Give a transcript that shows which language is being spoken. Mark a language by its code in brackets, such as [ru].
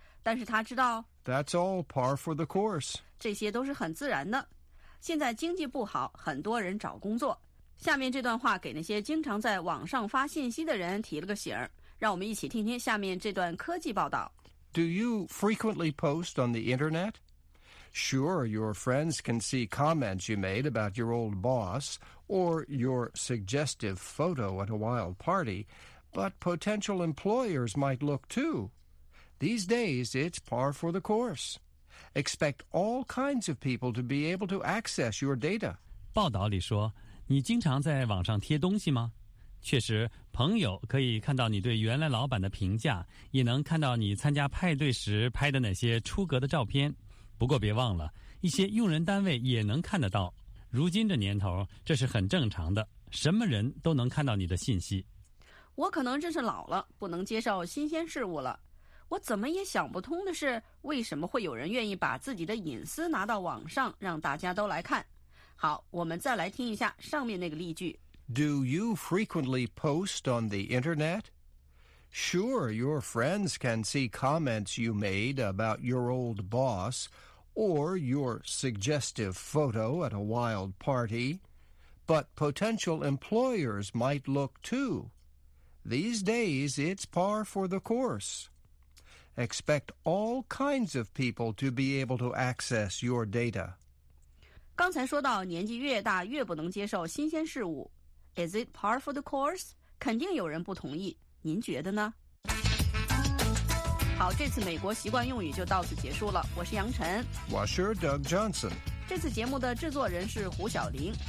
[zh] 但是他知道 [en] That's all par for the course. [zh] 这些都是很自然的。现在经济不好，很多人找工作。下面这段话给那些经常在网上发信息的人提了个醒，让我们一起听听下面这段科技报道。 [en] Do you frequently post on the internet? Sure, your friends can see comments you made about your old boss or your suggestive photo at a wild party, but potential employers might look too. These days, it's par for the course. Expect all kinds of people to be able to access your data. [zh] 报道里说，你经常在网上贴东西吗？确实，朋友可以看到你对原来老板的评价，也能看到你参加派对时拍的那些出格的照片。不过别忘了，一些用人单位也能看得到。如今这年头，这是很正常的，什么人都能看到你的信息。我可能真是老了，不能接受新鲜事物了。我怎么也想不通的是，为什么会有人愿意把自己的隐私拿到网上，让大家都来看。好，我们再来听一下上面那个例句。 [en] Do you frequently post on the internet? Sure, your friends can see comments you made about your old boss or your suggestive photo at a wild party, but potential employers might look too. These days, it's par for the course. Expect all kinds of people to be able to access your data. [zh] 刚才说到年纪越大越不能接受新鲜事物。 [en] Is it par for the course? [zh] 肯定有人不同意。您觉得呢？好，这次美国习惯用语就到此结束了。我是杨晨。我是 Doug Johnson。这次节目的制作人是胡晓玲。